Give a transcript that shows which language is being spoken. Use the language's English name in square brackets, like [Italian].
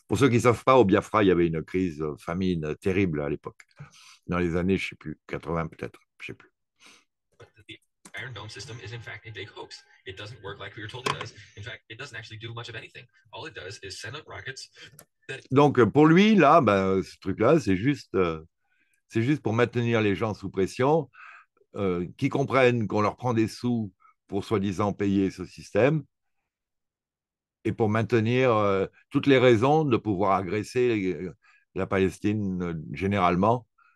[French] Pour ceux qui ne savent pas, au Biafra, il y avait une crise famine terrible à l'époque, dans les années, je ne sais plus, 80 peut-être, je ne sais plus. [English] Iron Dome system is in fact a big hoax. It doesn't work like we were told it does. In fact, it doesn't actually do much of anything. All it does is send up rockets. [French] Donc pour lui là, ben, ce truc là, c'est juste pour maintenir les gens sous pression, qu'ils comprennent qu'on leur prend des sous pour soi-disant payer ce système, et pour maintenir toutes les raisons de pouvoir agresser la Palestine généralement.